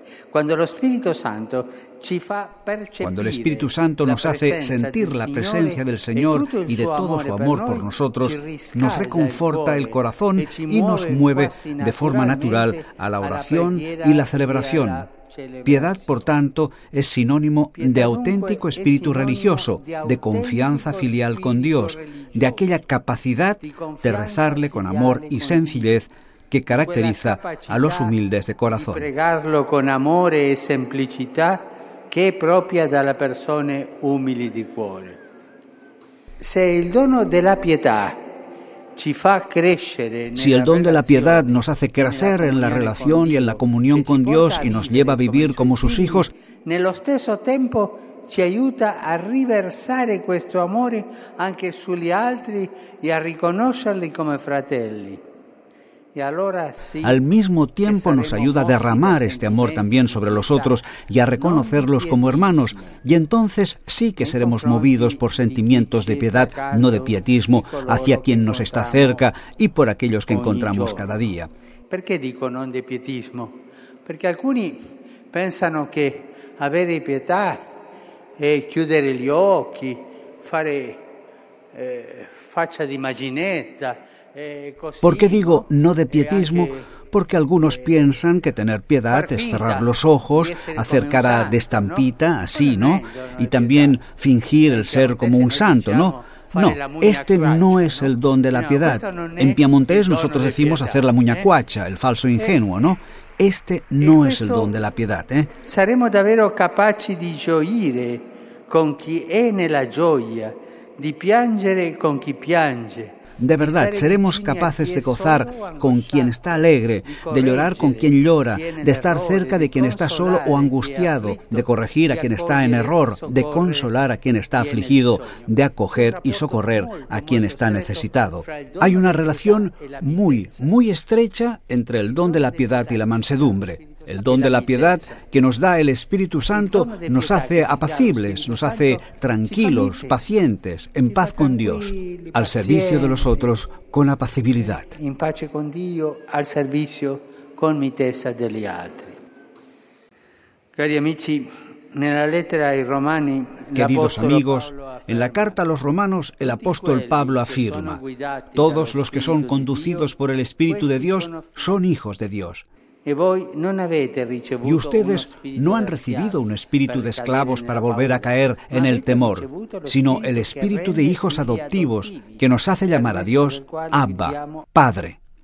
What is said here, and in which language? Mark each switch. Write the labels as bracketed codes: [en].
[es] Cuando el Espíritu Santo nos hace sentir la presencia del Señor y de todo su amor por nosotros, nos reconforta el corazón y nos mueve de forma natural a la oración y la celebración. Piedad, por tanto, es sinónimo de auténtico espíritu religioso, de confianza filial con Dios, de aquella capacidad de rezarle con amor y sencillez que caracteriza a los humildes de corazón. [it] Pregarlo con amor e semplicità che è propria della persone umili di cuore. Se il dono della pietà [es] si el don de la piedad nos hace crecer en la relación y en la comunión con Dios y nos lleva a vivir como sus hijos, [it] nello stesso tempo ci aiuta a riversare questo amore anche sugli altri [es] y [it] a riconoscerli come fratelli. [es] Al mismo tiempo nos ayuda a derramar este amor también sobre los otros y a reconocerlos como hermanos, y entonces sí que seremos movidos por sentimientos de piedad, no de pietismo, hacia quien nos está cerca y por aquellos que encontramos cada día. ¿Por qué digo no de pietismo? Porque algunos piensan que tener piedad es [it] chiudere gli occhi, fare faccia di maginetta. [es] ¿Por qué digo no de pietismo? Porque algunos piensan que tener piedad es cerrar los ojos, hacer cara de estampita, así, ¿no? Y también fingir el ser como un santo, ¿no? No, este no es el don de la piedad. En piamontés nosotros decimos hacer la muñacuacha, el falso ingenuo, ¿no? Este no es el don de la piedad, ¿eh? [it] Saremos davvero capaces de gioire con chi è nella gioia, di piangere con chi piange. [es] De verdad, seremos capaces de gozar con quien está alegre, de llorar con quien llora, de estar cerca de quien está solo o angustiado, de corregir a quien está en error, de consolar a quien está afligido, de acoger y socorrer a quien está necesitado. Hay una relación muy, muy estrecha entre el don de la piedad y la mansedumbre. El don de la piedad que nos da el Espíritu Santo nos hace apacibles, nos hace tranquilos, pacientes, en paz con Dios, al servicio de los otros con apacibilidad. En paz con Dios, al servicio con [it] mitezza degli altri. Cari amici, nella lettera ai Romani, [es] queridos amigos, en la carta a los Romanos el apóstol Pablo afirma: todos los que son conducidos por el Espíritu de Dios son hijos de Dios. Y ustedes no han recibido un espíritu de esclavos para volver a caer en el temor, sino el espíritu de hijos adoptivos que nos hace llamar a Dios Abba, Padre.